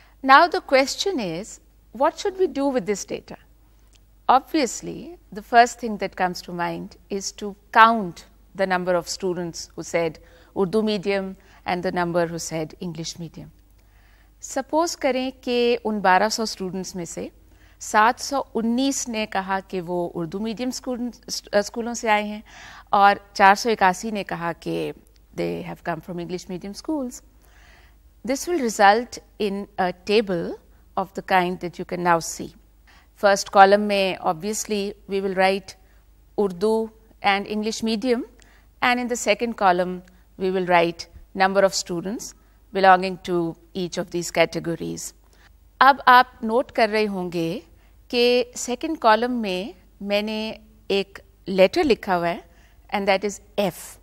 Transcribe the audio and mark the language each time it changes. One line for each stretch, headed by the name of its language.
English: Now the question is what should we do with this data? Obviously the first thing that comes to mind is to count the number of students who said Urdu medium and the number who said English medium.
Urdu: Suppose کریں کہ ان 1200 students میں سے 719 نے کہا کہ وہ Urdu medium اسکولوں سے آئے ہیں اور 481 نے کہا کہ
English: They have come from English medium schools. This will result in a table of the kind that you can now see. First column میں obviously we will write Urdu and English medium and in the second column we will write number of students belonging to each of these categories.
Urdu: اب آپ note کر رہے ہوں گے کہ second column میں میں نے ایک لیٹر لکھا ہوا ہے اینڈ دیٹ از ایف.